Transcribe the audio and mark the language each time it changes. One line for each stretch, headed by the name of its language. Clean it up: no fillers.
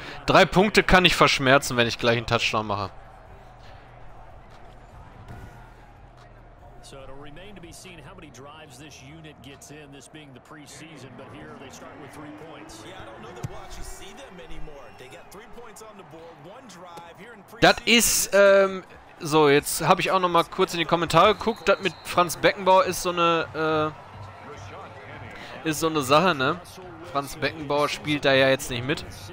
German: 3 Punkte kann ich verschmerzen, wenn ich gleich einen Touchdown mache.
English: So, it'll remain to be seen how many drives this unit gets in, this being the preseason, but here they start with 3 points. Yeah, I don't know that we'll actually see them anymore. They got 3 points on the board, 1 drive here in preseason.
German: Das ist, so, jetzt habe ich auch noch mal kurz in die Kommentare geguckt. Das mit Franz Beckenbauer ist so eine Sache, ne? Franz Beckenbauer spielt da ja jetzt nicht mit.